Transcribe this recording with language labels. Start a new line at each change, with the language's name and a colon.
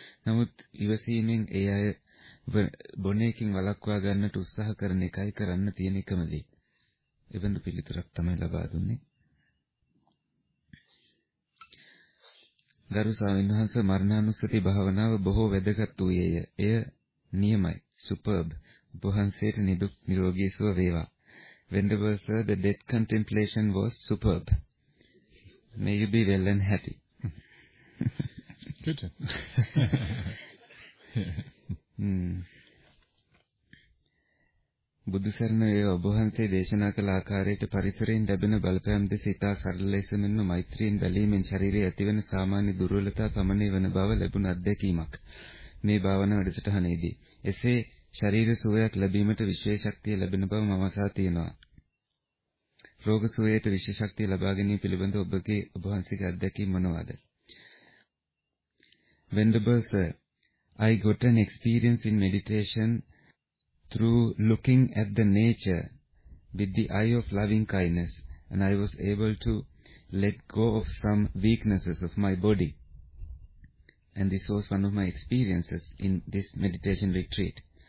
Sinhala: නමුත් ඉවසීමෙන් ඒ අය බොනේකින් වළක්වා ගන්නට උත්සාහ කරන එකයි කරන්න තියෙන එකම දේ. එවන්දු පිළිතුරක් තමයි ලබා දුන්නේ. ගරු ස්වාමීන් වහන්සේ මරණානුස්සති භාවනාව බොහෝ වැදගත් වූයේය. එය නියමයි. සුපර්බ්. බුහන්සේට නිදුක් නිරෝගී සුව වේවා.
English: Venerable sir, the death contemplation was superb. May you be well and happy. Good.
Sinhala: බුදු සරණ වේවා. ඔබ වහන්සේ දේශනා කළ ආකාරයට පරිසරයෙන් ලැබෙන බලපෑම් දෙස ඉතා සරල ලෙස මෙන්ම මෛත්‍රියෙන් බැලීමෙන් ශරීරයේ ඇතිවන සාමාන්‍ය දුර්වලතා සමනය වන බව ලැබුණ අත්දැකීමක් මේ භාවනා වැඩසටහනේදී. එසේ ශරීර සුවයක් ලැබීමට විශේෂ ශක්තිය ලැබෙන බව මම අසා තියෙනවා. රෝග සුවයට විශේෂ ශක්තිය ලබා ගැනීම පිළිබඳ ඔබගේ ඔබ වහන්සේගේ අත්දැකීම මොනවාද?
English: Venerable sir, I got an experience in meditation through looking at the nature with the eye of loving kindness, and I was able to let go of some weaknesses of my body, and this was one of my experiences in this meditation retreat.